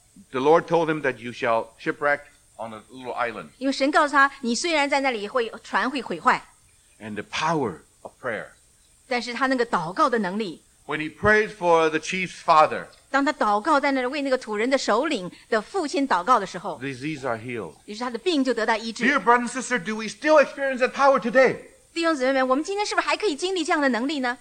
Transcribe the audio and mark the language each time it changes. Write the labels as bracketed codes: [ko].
[en] The Lord told him that you shall shipwreck on a little island. [zh] 因为神告诉他，你虽然在那里会船会毁坏。 [en] And the power of prayer. [zh] 但是他那个祷告的能力。 [en] When he prayed for the chief's father. [zh] 当他祷告在那里为那个土人的首领的父亲祷告的时候。 [en] Disease are healed. [zh] 于是他的病就得到医治。 [en] Dear brothers and sisters, do we still experience that power today? [zh] 弟兄姊妹们，我们今天是不是还可以经历这样的能力呢？